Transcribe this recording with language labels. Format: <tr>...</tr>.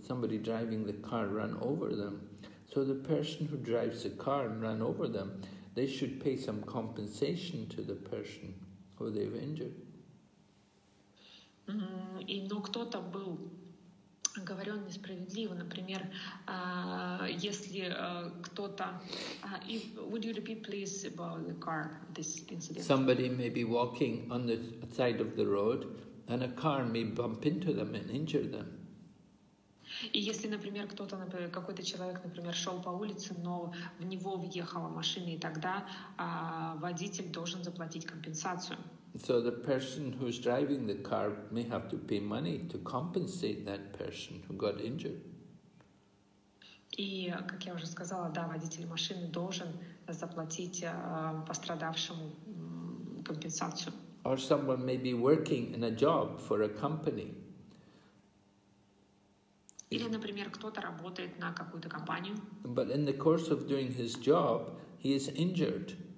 <en>Somebody driving the car ran over them. So the person who drives the car and ran over them, they should pay some compensation to the person who they've injured.</en> <ru>Но кто-то был оговорен несправедливо. Например, если кто-то...</ru> <en>would you repeat, please, about the car, this incident? Somebody may be walking on the side of the road, and a car may bump into them and injure them.</en> <ru>И если, например, кто-то, например, какой-то человек, например, шел по улице, но в него въехала машина, и тогда водитель должен заплатить компенсацию.</ru> <en>So the person who's driving the car may have to pay money to compensate that person who got injured.</en> <ru>И, как я уже сказала, да, водитель машины должен заплатить пострадавшему компенсацию.</ru> <en>Or someone may be working in a job for a company.</en> <ru>Или, например, кто-то работает на какую-то компанию.</ru> <en>But in the course of doing his job, he is injured.</en>